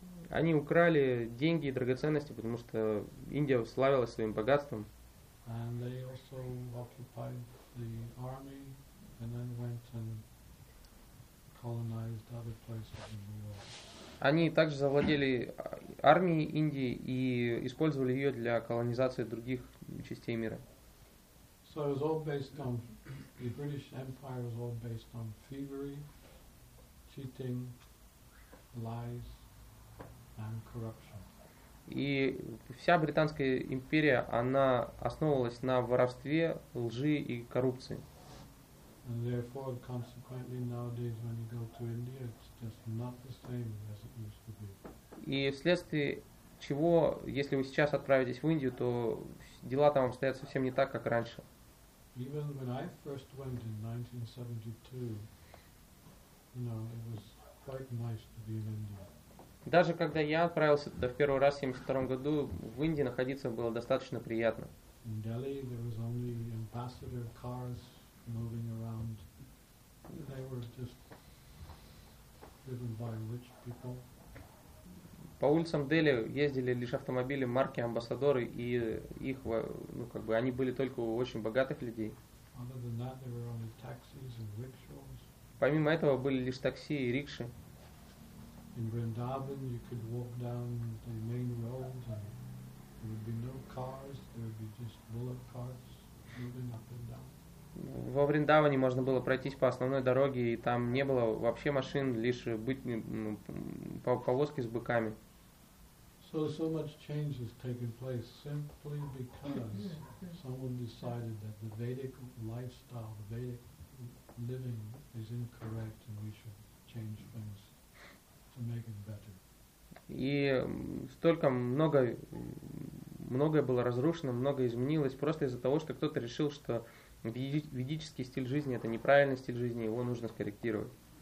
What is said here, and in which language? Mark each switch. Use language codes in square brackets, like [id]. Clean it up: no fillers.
[ru] Они украли деньги и драгоценности, потому что Индия славилась своим богатством. [en] And they also occupied the army and then went and colonized other places in the world. [ru] Они также завладели армией Индии и использовали ее для колонизации других частей мира. [en] So it was all based on, the British Empire was all based on thievery, cheating, lies, and corruption. [ru] И вся Британская империя, она основывалась на воровстве, лжи и коррупции. [en] And therefore, consequently, nowadays when you go to India, it's just not the same as it used to be. [ru] И вследствие чего, если вы сейчас отправитесь в Индию, то дела там обстоят совсем не так, как раньше. [en] Even when I first went in 1972, you know, it was quite nice to be in India. [ru] Даже когда я отправился туда в первый раз в 72 году, в Индии находиться было достаточно приятно. [en] In Delhi, there was only ambassador cars moving around. They were just driven by rich people. [ru] По улицам Дели ездили лишь автомобили марки амбассадоры, и их, ну, как бы, они были только у очень богатых людей. [en] Other than that, there were only taxis and rickshaws. [ru] Помимо этого были лишь такси и рикши. [en] In Vrindavan you could walk down the main road and there would be no cars, there would be just bullock carts moving up and down. [ru] Во Вриндаване можно было пройтись по основной дороге, и там не было вообще машин, лишь быть повозки с быками. [en] So much change has taken place simply because someone decided that the Vedic lifestyle, the Vedic living is incorrect and we should change things to make it better. [ru] И столько много, многое было разрушено, многое изменилось просто из-за того, что кто-то решил, что ведический стиль жизни – это неправильный стиль жизни, его нужно скорректировать.